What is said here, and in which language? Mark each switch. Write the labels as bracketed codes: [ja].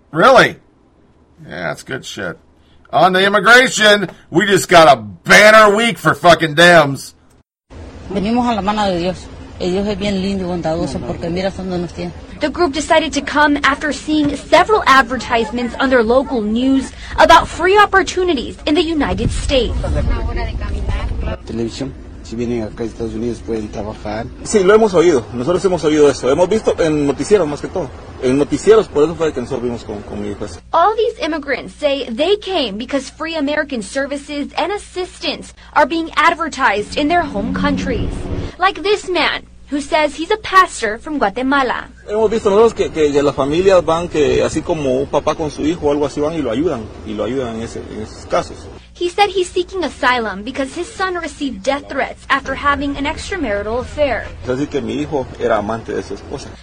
[en] Really? Yeah, that's good shit. On the immigration, we just got a banner week for fucking Dems. The group decided to come after seeing several advertisements on their local news about free opportunities in the United States. Television. [es] Si vienen acá a Estados Unidos pueden trabajar. Sí, lo hemos oído. Nosotros hemos oído eso. Hemos visto en noticieros más que todo. En noticieros, por eso fue que nosotros vimos con mi hijo. [en] All these immigrants say they came because free American services and assistance are being advertised in their home countries. Like this man, who says he's a pastor from Guatemala. [es] Hemos visto nosotros que las familias van que así como un papá con su hijo o algo así van y lo ayudan. Y lo ayudan en esos casos. [en] He said he's seeking asylum because his son received death threats after having an extramarital affair. [es] Así que mi hijo era amante de su esposa.